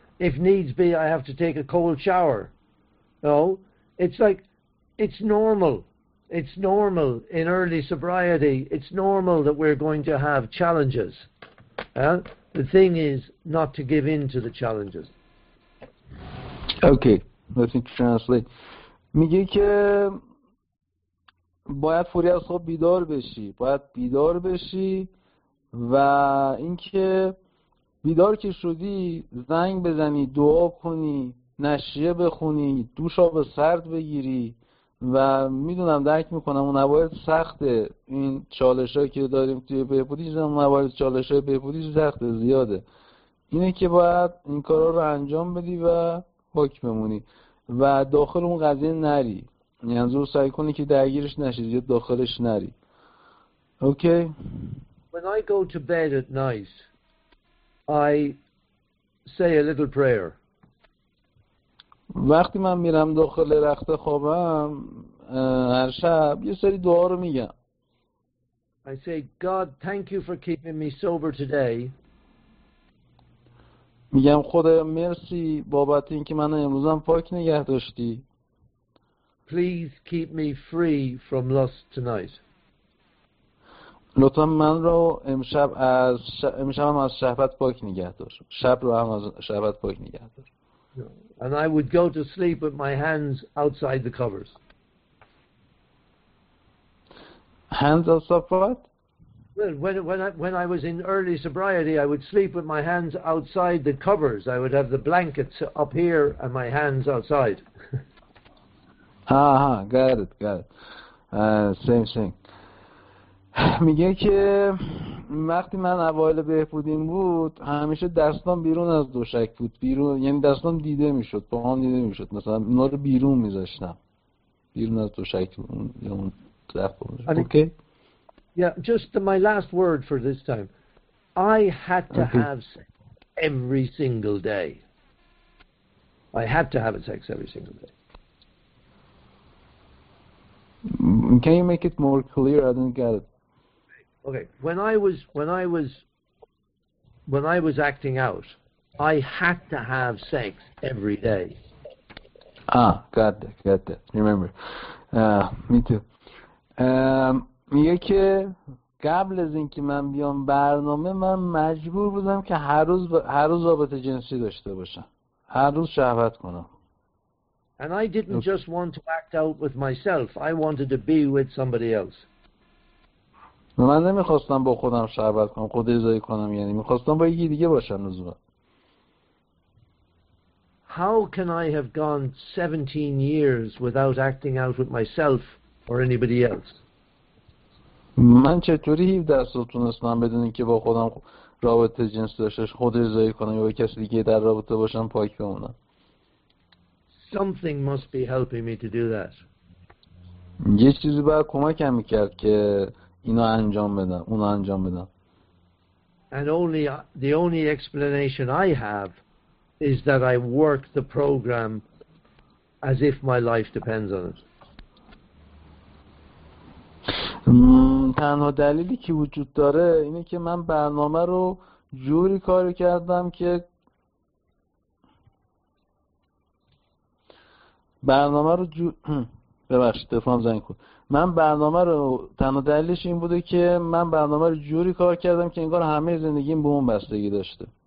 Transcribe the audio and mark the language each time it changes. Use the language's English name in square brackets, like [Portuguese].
[English] If needs be, I have to take a cold shower. No, it's like it's normal. It's normal in early sobriety. It's normal that we're going to have challenges. The thing is not to give in to the challenges. Okay, let me translate. [Persian] میگه که باید فوری از خواب بیدار بشی. باید بیدار بشی و اینکه بیدار که شدی زنگ بزنی، دعا کنی، نشریه بخونی، دوش آب سرد بگیری. و میدونم درک میکنم اون موارد سخته، این چالش هایی که داریم توی بهبودی زمان موارد چالش های بهبودی سخته زیاده، اینه که باید این کارها رو انجام بدی و پاک بمونی و داخل اون قضیه نری، یعنی رو سعی کنی که درگیرش نشی، زیاد داخلش نری. اوکی. [English] When I go to bed at night I say a little prayer. [Persian] وقتی من میرم داخل رخت خوابم هر شب یه سری دعا رو میگم. [English] I say God thank you for keeping me sober today. [Persian] میگم خدایا مرسی بابت اینکه منو امروزم پاک نگه داشتی. [English] Please keep me free from lust tonight. [Persian] لطفا من رو امشب از امشبم از شهوت پاک نگه دار. شب رو هم از شهوت پاک نگه دار. [English] And I would go to sleep with my hands outside the covers. Hands outside what? Well, when I was in early sobriety, I would sleep with my hands outside the covers. I would have the blankets up here and my hands outside. Aha, got it. Same thing. [Persian] میگه که وقتی من اوایل بهبودیم بود همیشه دستان بیرون از دوشک بود، بیرون یعنی دستان دیده میشد، پاهم دیده میشد، مثلا اونا رو بیرون میذاشتم، بیرون از دوشک بود یا اون رفت بود. اوکی. [English] Yeah, just my last word for this time. I had to have sex every single day. I had to have sex every single day. Can you make it more clear? I don't get it. Okay, when I was acting out, I had to have sex every day. Ah, got that. Remember. Me too. [Persian] میگه که قبل از اینکه من بیام برنامه من مجبور بودم که هر روز رابطه جنسی داشته باشم. هر روز شهوت کنم. [English] And I didn't just want to act out with myself. I wanted to be with somebody else. [Persian] من نمیخواستم با خودم شربت کنم، خود ازایی کنم، یعنی میخواستم با یکی دیگه باشم روز بعد. [English] How can I have gone 17 years without acting out with myself or anybody else? [Persian] من چطوری 17 سال تونستم بدون اینکه با خودم رابطه جنسی داشته باشم، خود ازایی کنم یا با کسی دیگه در رابطه باشم پاک بمونم؟ [English] Something must be helping me to do that. [Persian] یه چیزی باید کمکم میکرد که اینو انجام بدم، اونو انجام بدم. [English] And only the only explanation I have is that I work the program as if my life depends on it. [Persian] تنها دلیلی که وجود داره اینه که من برنامه رو جوری کار کردم که برنامه رو جوری ببخشید دفعه هم زنگ کن من برنامه رو تنها دلیلش این بوده که من برنامه رو جوری کار کردم که انگار همه زندگیم به اون بستگی داشته.